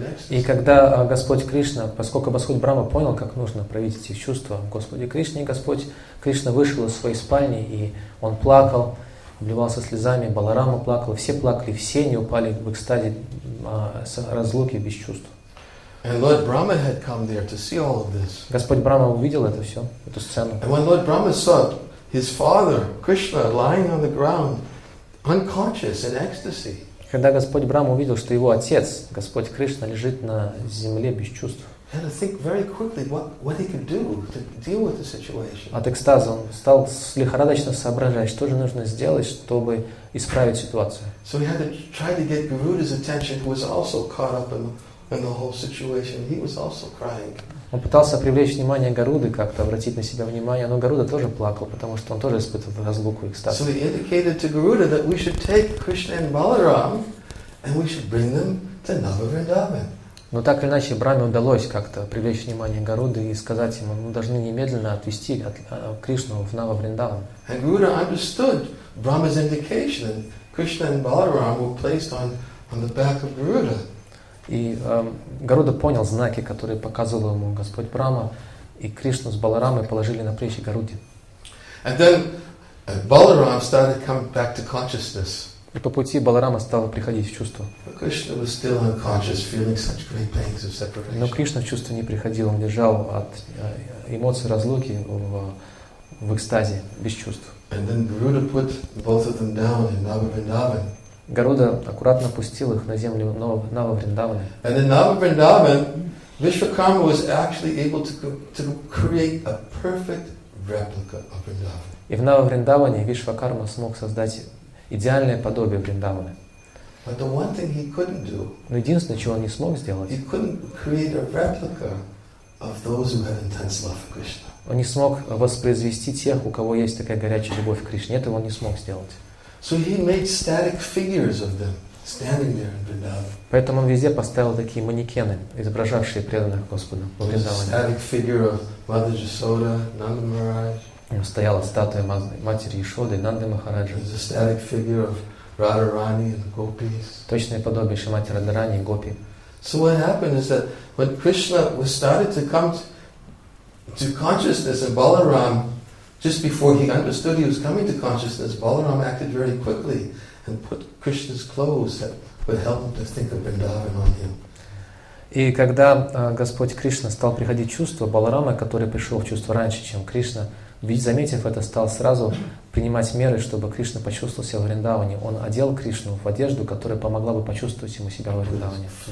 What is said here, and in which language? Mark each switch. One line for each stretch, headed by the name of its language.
Russian: И когда Господь Кришна, поскольку Господь Брахма понял, как нужно проявить эти чувства Господи Кришне, Господь Кришна вышел из своей спальни, и он плакал, обливался слезами, Баларама плакал, все плакали, все не упали в экстазе разлуки без чувств.
English: And Lord Brahma had come there to see all of this.
Russian: Господь Брахма увидел это все, эту сцену.
English: And when Lord Brahma saw his father, Krishna, lying on the ground, unconscious in ecstasy.
Russian: Когда Господь Брахма увидел, что его отец, Господь Кришна, лежит на земле без чувств, от экстаза он стал лихорадочно соображать, что же нужно сделать, чтобы исправить ситуацию.
English: So he had to try to get Garuda's attention, who was also caught up in the whole situation. He was also crying.
Russian: Он пытался привлечь внимание Гаруды, как-то обратить на себя внимание, но Гаруда тоже плакал, потому что он тоже испытывал разлуку и экстаз.
English: So he indicated to Garuda that we should take Krishna and Balaram and we should bring them to Nava Vrindavan.
Russian: Но так или иначе Брахме удалось как-то привлечь внимание Гаруды и сказать ему, мы должны немедленно отвести Кришну в Нава Вриндаван.
English: And Garuda understood Brahma's indication and Krishna and Balaram were placed on the back of Garuda.
Russian: И Гаруда понял знаки, которые показывал ему Господь Брахма, и Кришну с Баларамой положили на плечи Гаруде.
English: And then Balaram started coming back to consciousness.
Russian: И по пути Баларама стал приходить в чувство.
English: But Krishna was still unconscious, feeling such great pains of separation.
Russian: Но Кришна в чувство не приходил, он лежал от эмоций разлуки в экстазе, без чувств.
English: And then Garuda put both of them down in Nava Vrindavan.
Russian: Гаруда аккуратно пустил их на землю Нава Вриндавана.
English: And in Nava Vrindavan, Вишвакарма was actually able to create a perfect replica of Vrindavan.
Russian: И в Нава Вриндаване Вишвакарма смог создать идеальное подобие Вриндавана.
English: But the one thing he couldn't do.
Russian: Но единственное, чего он не смог сделать.
English: He couldn't create a replica of those who have intense love for Krishna.
Russian: Он не смог воспроизвести тех, у кого есть такая горячая любовь к Кришне. Этого он не смог сделать.
English: So he made static figures of them standing there in Vrindavan.
Russian: Поэтому он везде поставил такие манекены, изображавшие преданных Господу в Вриндаване.
English: Static figure of Mother Yashoda, Nanda Maharaj.
Russian: Стояла статуя матери Ишоды, Нанды Махараджи.
English: There's a static figure of Radharani and the Gopis.
Russian: Точное подобие Шримати Радхарани и Гопи.
English: So what happened is that when Krishna was started to come to consciousness in Balaram. Just before he understood he was coming to consciousness, Balaram acted very quickly and put Krishna's clothes that would help him to think of Vrindavan on him.
Russian: И когда Господь Кришна стал приходить в чувство, Баларама, который пришел в чувство раньше, чем Кришна, ведь заметив это, стал сразу принимать меры, чтобы Кришна почувствовал себя в Вриндаване. Он одел Кришну в одежду, которая помогла бы почувствовать ему себя в Вриндаване.